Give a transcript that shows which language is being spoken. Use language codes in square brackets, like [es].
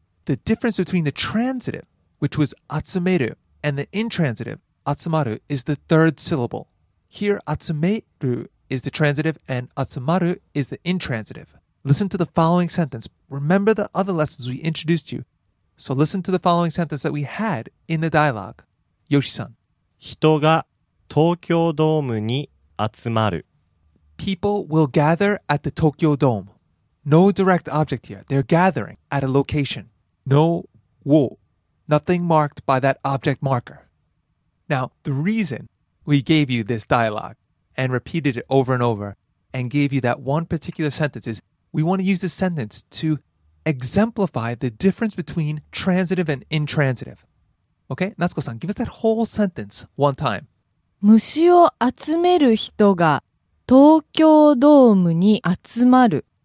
[en] The difference between the transitive, which was 集める, and the intransitive, 集まる, is the third syllable. Here, 集める is the transitive, and 集まる is the intransitive. Listen to the following sentence. Remember the other lessons we introduced you. So listen to the following sentence that we had in the dialogue. Yoshi-san. [ja] 人が東京ドームに集まる。 [en] People will gather at the Tokyo Dome. No direct object here. They're gathering at a location. No wo. Nothing marked by that object marker. Now, the reason we gave you this dialogue and repeated it over and over and gave you that one particular sentence is,We want to use this sentence to exemplify the difference between transitive and intransitive. Okay, Natsuko-san, give us that whole sentence one time. [ja] 虫を集める人が東京ドームに集まる。